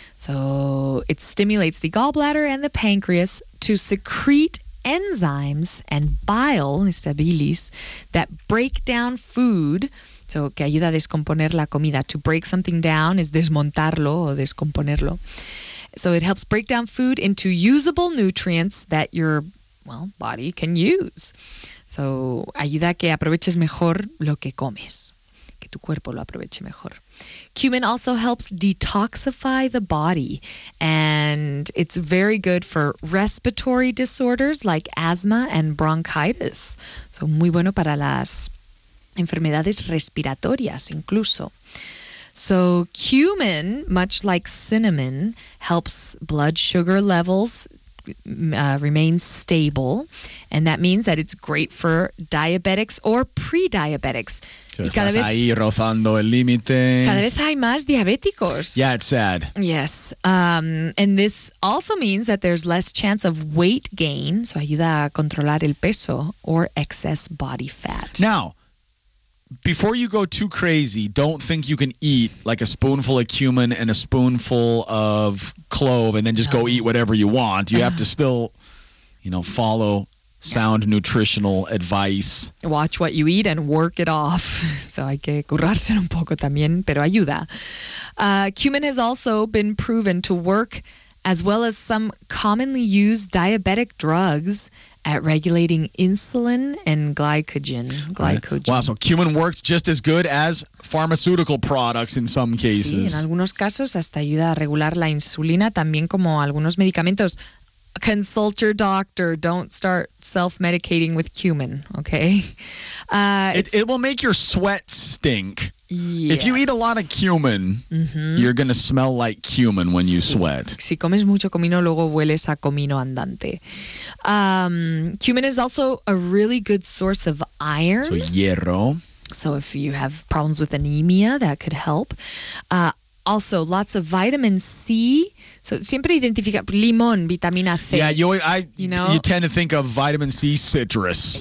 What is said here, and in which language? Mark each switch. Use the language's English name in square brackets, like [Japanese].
[English] So it stimulates the gallbladder and the pancreas to secrete enzymes and bile, [Spanish] esta bilis, [English] that break down food. [Spanish] So, que ayuda a descomponer la comida. [English] To break something down is [Spanish] desmontarlo o descomponerlo. [English] So, it helps break down food into usable nutrients that your, body can use. [Spanish] So, ayuda a que aproveches mejor lo que comes. Que tu cuerpo lo aproveche mejor. [English] Cumin also helps detoxify the body. And it's very good for respiratory disorders like asthma and bronchitis. [Spanish] So, muy bueno para las enfermedades respiratorias, incluso. [English] So cumin, much like cinnamon, helps blood sugar levels remain stable. And that means that it's great for diabetics or pre-diabetics. [Spanish] Ahí rozando el límite. Cada vez hay más diabéticos. [English] Yeah, it's sad. Yes. And this also means that there's less chance of weight gain. [Spanish] So ayuda a controlar el peso [English] or excess body fat. Now, before you go too crazy, don't think you can eat like a spoonful of cumin and a spoonful of clove and then just go eat whatever you want. You have to still, follow sound nutritional advice. Watch what you eat and work it off. [Spanish] So hay que curarse un poco también, pero ayuda. [English] Cumin has also been proven to work as well as some commonly used diabetic drugs at regulating insulin and glycogen. Right. Wow, so cumin works just as good as pharmaceutical products in some cases. [Spanish] Sí, en algunos casos hasta ayuda a regular la insulina, también como algunos medicamentos. [English] Consult your doctor. Don't start self-medicating with cumin, okay? It will make your sweat stink. Yes. If you eat a lot of cumin, you're going to smell like cumin when you sweat. [Spanish] Si comes mucho comino, luego hueles a comino andante. [English] Cumin is also a really good source of iron. [Spanish] So hierro. [English] So if you have problems with anemia, that could help. Also, lots of vitamin C. So [Spanish] siempre identifica limón, vitamina C. [English] Yeah, you tend to think of vitamin C citrus.